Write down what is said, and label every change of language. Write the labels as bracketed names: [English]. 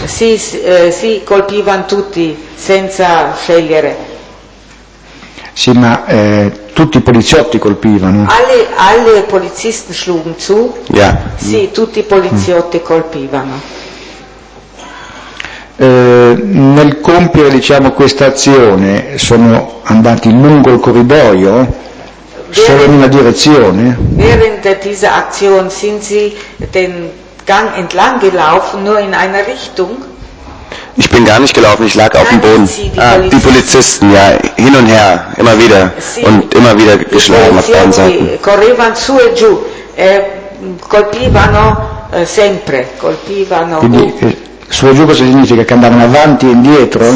[German] Sie [Italian] colpivano tutti, senza scegliere. Sì, ma tutti i poliziotti colpivano. [German] Alle polizisten schlugen zu. Yeah. [Italian] Sì, tutti i poliziotti colpivano. Nel compiere, diciamo, questa azione sono andati lungo il corridoio solo in una direzione? [German] Während dieser Aktion sind sie den Gang entlang gelaufen, nur in einer Richtung? Ich bin gar nicht gelaufen, ich lag auf dem Boden. Die Polizisten, ja, hin und her, immer wieder. Sie, und immer wieder geschlagen auf beiden Seiten. [Italian] Correvano su e giù, colpivano sempre, colpivano. Quindi, su e giù cosa significa? Che andavano avanti e indietro?